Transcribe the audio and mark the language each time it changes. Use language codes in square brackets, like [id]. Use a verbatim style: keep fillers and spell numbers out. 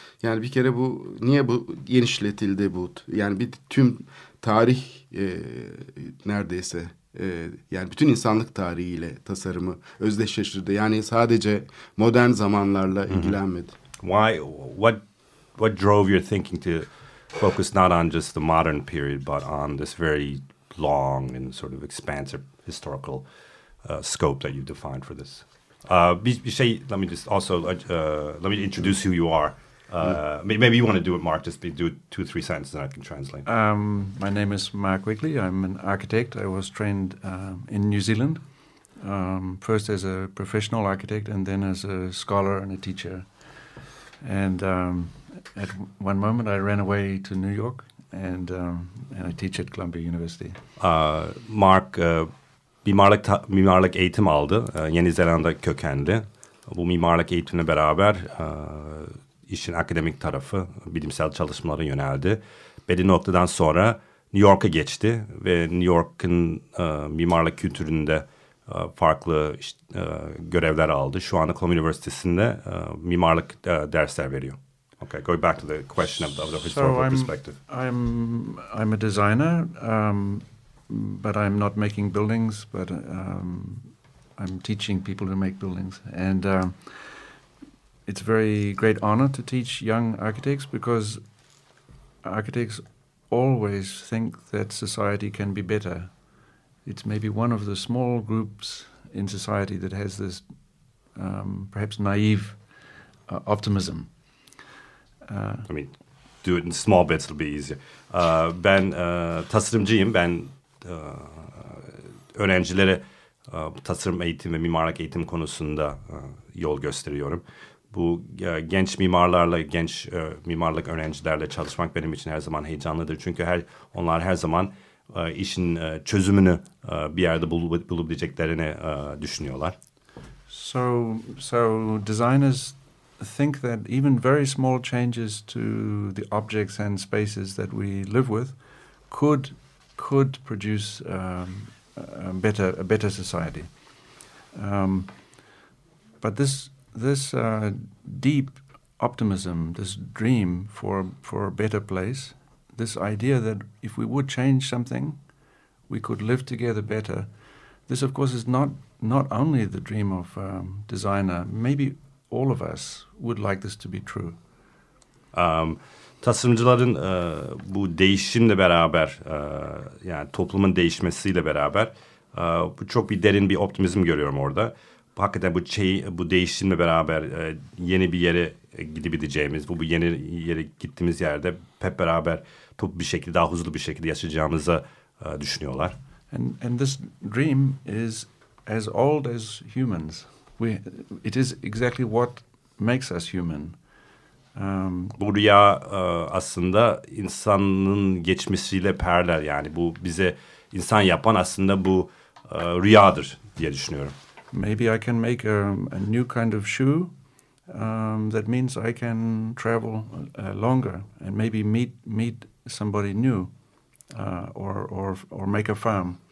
[tr] Yani bir kere bu niye bu genişletildi bu? Yani bir tüm tarih e, neredeyse e, yani bütün insanlık tarihiyle tasarımı özdeşleştirdi. Yani sadece modern zamanlarla mm-hmm. ilgilenmedi. [en] Why what what drove your thinking to focus not on just the modern period but on this very long and sort of expansive historical uh, scope that you defined for this? Uh, [tr] bir, bir şey, [en] let me just also uh, let me introduce who you are. Uh, maybe you want to do it, Mark. Just do it two, three sentences, and I can translate. Um, my name is Mark Wickley. I'm an architect. I was trained uh, in New Zealand, um, first as a professional architect, and then as a scholar and a teacher. And um, at one moment, I ran away to New York, and um, and I teach at Columbia University. [tr] Uh, Mark, uh, mimarlık ta- mimarlık eğitim aldı. Uh, Yeni Zelanda kökenli. Bu mimarlık eğitimle beraber. Uh, İşin akademik tarafı, bilimsel çalışmalara yöneldi. Belli noktadan sonra New York'a geçti ve New York'un uh, mimarlık kültüründe uh, farklı uh, görevler aldı. Şu anda Columbia Üniversitesi'nde uh, mimarlık uh, dersler veriyor. [en] Okay, going back to the question of the, of the historical so I'm, perspective. I'm I'm a designer, um, but I'm not making buildings, but um, I'm teaching people to make buildings and. Um, It's a very great honor to teach young architects because architects always think that society can be better. It's maybe one of the small groups in society that has this um, perhaps naive uh, optimism. Uh, I mean, do it in small bits, it'll be easier. Uh, [tr] ben uh, tasarımcıyım, ben uh, öğrencilere e, tasarım eğitim ve mimarlık eğitim konusunda e, yol gösteriyorum. Bu e, genç mimarlarla, genç e, mimarlık öğrencilerle çalışmak benim için her zaman heyecanlıdır. Çünkü her onlar her zaman e, işin e, çözümünü e, bir yerde bul, bulabileceklerini e, düşünüyorlar. [en] So, so designers think that even very small changes to the objects and spaces that we live with could could produce um, a better a better society. Um, but this this uh, deep optimism, this dream for for a better place, this idea that if we would change something, we could live together better. This, of course, is not not only the dream of um, designer. Maybe all of us would like this to be true. [tr] Um, tasarımcıların e, bu değişimle beraber, e, yani toplumun değişmesiyle beraber, e, bu çok bir derin bir optimizm görüyorum orada. Hakikaten bu şey, bu değişimle beraber e, yeni bir yere gidebileceğimiz, bu, bu yeni yere gittiğimiz yerde hep beraber toplu bir şekilde, daha huzurlu bir şekilde yaşayacağımızı e, düşünüyorlar. [en] And, and this dream is as old as humans. We, it is exactly what makes us human. [tr] Um, bu rüya uh, aslında insanın geçmişiyle paralel, yani bu bize insan yapan aslında bu uh, rüyadır diye düşünüyorum. [en] Maybe I can make a, a new kind of shoe. Um, that means I can travel uh, longer and maybe meet meet somebody new uh, or or or make a farm.